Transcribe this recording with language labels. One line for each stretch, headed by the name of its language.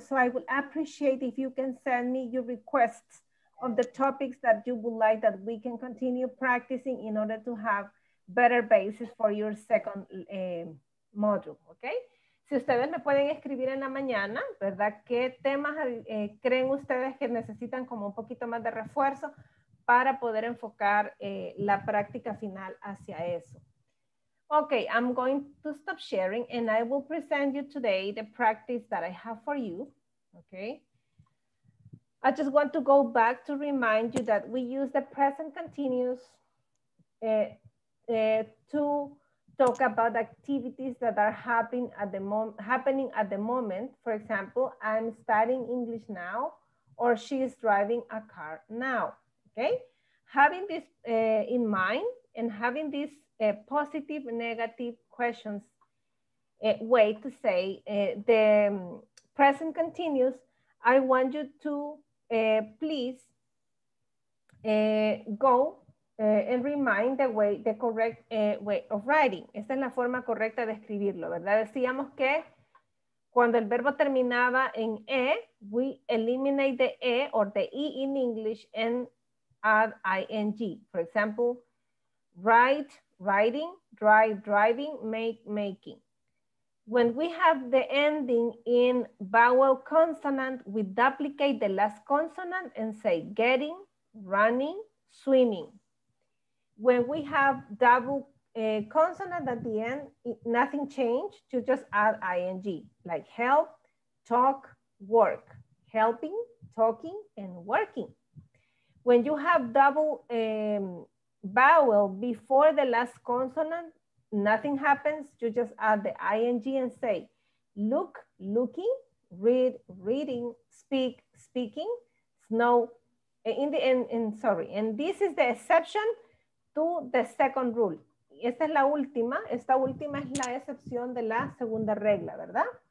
English: So I would appreciate if you can send me your requests of the topics that you would like that we can continue practicing in order to have better basis for your second module, okay?
Spanish: Si ustedes me pueden escribir en la mañana, ¿verdad? ¿Qué temas creen ustedes que necesitan como un poquito más de refuerzo para poder enfocar la práctica final hacia eso?
English: Okay, I'm going to stop sharing and I will present you today the practice that I have for you, okay? I just want to go back to remind you that we use the present continuous to talk about activities that are happening at the moment. For example, I'm studying English now or she is driving a car now, okay? Having this in mind and having this positive, negative questions, way to say the present continuous, I want you to please go and remind the way, the correct way of writing.
Spanish: Esta es la forma correcta de escribirlo, ¿verdad? Decíamos que cuando el verbo terminaba en E,
English: we eliminate the E or the E in English and add ing. For example, write, writing, drive, driving, make, making. When we have the ending in vowel consonant, we duplicate the last consonant and say getting, running, swimming. When we have double consonant at the end, nothing changed, you just add ing, like help, talk, work. Helping, talking, and working. When you have double vowel before the last consonant, nothing happens. You just add the ing and say look, looking, read, reading, speak, speaking, snow, and this is the exception to the second rule.
Spanish: Esta es la última, esta última es la excepción de la segunda regla, ¿verdad?